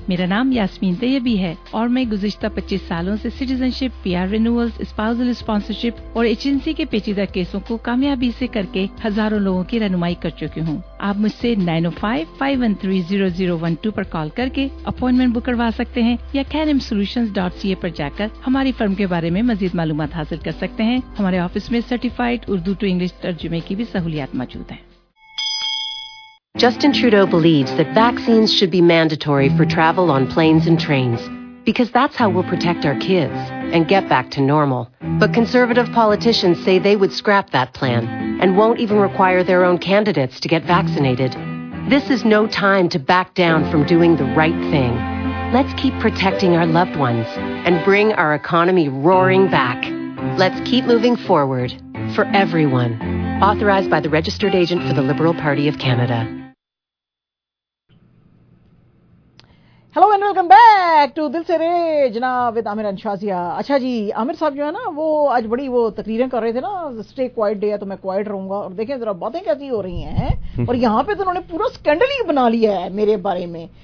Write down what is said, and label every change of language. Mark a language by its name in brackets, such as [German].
[Hindi] मेरा नाम यास्मीन तैयबी है और मैं गुज़िश्ता 25 सालों से citizenship, PR renewals, spousal sponsorship और एजेंसी के पेचीदा केसों को कामयाबी से करके हजारों लोगों की रहनुमाई कर चुकी हूँ। आप मुझसे 905-513-0012 पर कॉल करके अपॉइंटमेंट बुक करवा सकते हैं या canimsolutions.ca पर जाकर हमारी फर्म के बारे में मजीद मालूमात हासिल कर सकते हैं। हमारे ऑफिस में सर्टिफाइड उर्दू टू इंग्लिश तर्जुमे की भी सहूलियत मौजूद है। [English] Justin Trudeau believes that vaccines should be mandatory for travel on planes and trains because that's how we'll protect our kids and get back to normal. But conservative politicians say they would scrap that plan and won't even require their own candidates to get vaccinated. This is no time to back down from doing the right thing. Let's keep protecting our loved ones and bring our economy roaring back. Let's keep moving forward for everyone. Authorized by the Registered Agent for the Liberal Party of Canada. Hello and welcome back to Dil Se Re Janab with Aamir Anshajia. [Hindi] अच्छा जी, आमिर साहब जो है ना, वो आज बड़ी वो तकरीरें कर रहे थे ना, स्टे क्वाइट डे है तो मैं क्वाइट रहूंगा, और देखें जरा बातें कैसी हो रही हैं। और यहाँ पे तो उन्होंने पूरा स्कैंडल ही बना लिया है मेरे बारे में।